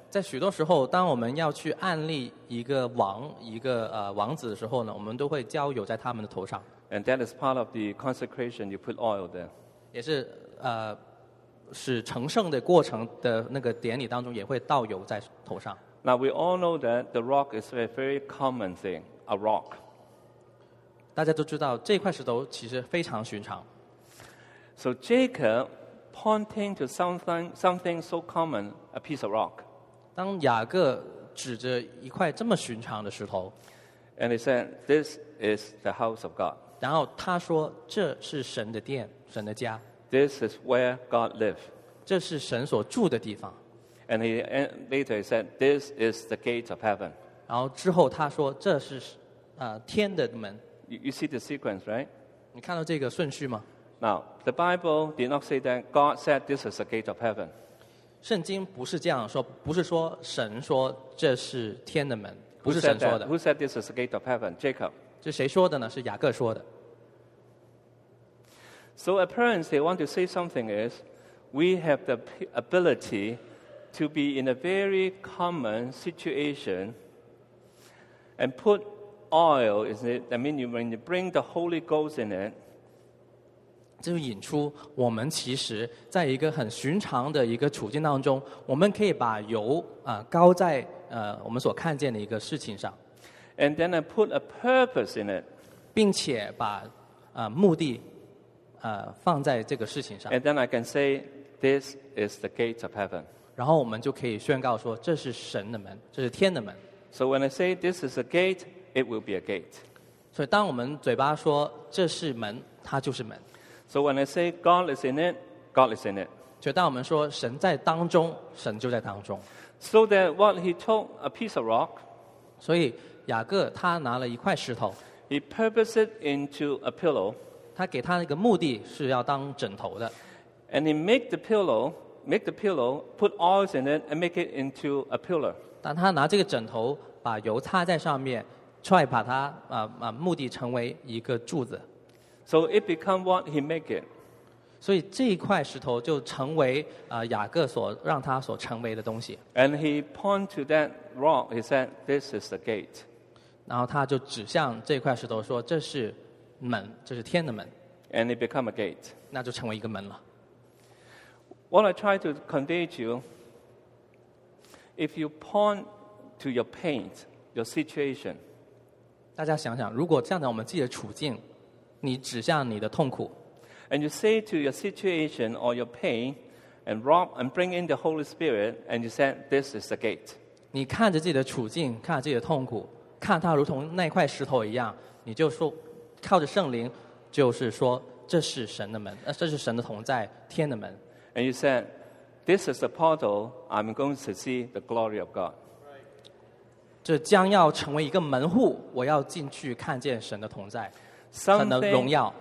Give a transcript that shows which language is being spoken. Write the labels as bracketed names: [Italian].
[Chinese] 在许多时候，当我们要去安立一个王、一个王子的时候呢，我们都会浇油在他们的头上。 [English] And that is part of the consecration. You put oil there. [Chinese] 也是使成圣的过程的那个典礼当中也会倒油在头上。 [English] Now we all know that the rock is a very common thing, a rock. [Chinese] 大家都知道这块石头其实非常寻常。 [English] So Jacob pointing to something so common, a piece of rock. [Chinese] 当雅各指着一块这么寻常的石头。 [English] And he said, this is the house of God. [Chinese] 然后他说这是神的殿，神的家。 [English] This is where God lives. [Chinese] 这是神所住的地方。 [English] And later he said, this is the gate of heaven. [Chinese] 然后之后他说这是天的门。 [English] You see the sequence, right? [Chinese] 你看到这个顺序吗？ [English] Now, the Bible did not say that God said this is the gate of heaven. [Chinese] 圣经不是这样说，不是说神说这是天的门，不是神说的。 [English] Who said this is the gate of heaven? Jacob. [Chinese] 这谁说的呢？是雅各说的。 [English] So apparently, I want to say something is, we have the ability to be in a very common situation and put oil in it. I mean, when you bring the Holy Ghost in it, [Chinese] 这就引出我们其实在一个很寻常的一个处境当中，我们可以把油高在我们所看见的一个事情上。 [English] And then I put a purpose in it. [Chinese] 并且把目的放在这个事情上。 [English] And then I can say, this is the gate of heaven. [Chinese] 然后我们就可以宣告说，这是神的门，这是天的门。 [English] So when I say this is a gate, it will be a gate. [Chinese] 所以当我们嘴巴说这是门，它就是门。 [English] So when I say God is in it, God is in it. [Chinese] 就当我们说神在当中，神就在当中。 [English] So that what he took a piece of rock. [Chinese] 所以雅各他拿了一块石头。 [English] He purposed it into a pillow. [Chinese] 他给他一个目的是要当枕头的。 [English] And he make the pillow, put oils in it, and make it into a pillar. [Chinese] 当他拿这个枕头把油擦在上面，踹把它目的成为一个柱子。 [English] So it become what he make it. [Chinese] 所以这一块石头就成为雅各所让他所成为的东西。 [English] And he point to that rock, he said, this is the gate. [Chinese] 然后他就指向这块石头说，这是门，这是天的门。 [English] And it become a gate. [Chinese] 那就成为一个门了。 [English] What I try to convey to you, if you point to your pain, your situation. [Chinese] 大家想想，如果站在我们自己的处境，你指向你的痛苦。 [English] And you say to your situation or your pain, and rob and bring in the Holy Spirit, and you said, "This is the gate." [Chinese] 你看着自己的处境，看着自己的痛苦，看它如同那块石头一样，你就说。靠着圣灵，就是说，这是神的门，这是神的同在，天的门。 [English] And you said, "This is the portal. I'm going to see the glory of God." [Chinese] 这将要成为一个门户，我要进去看见神的同在，神的荣耀。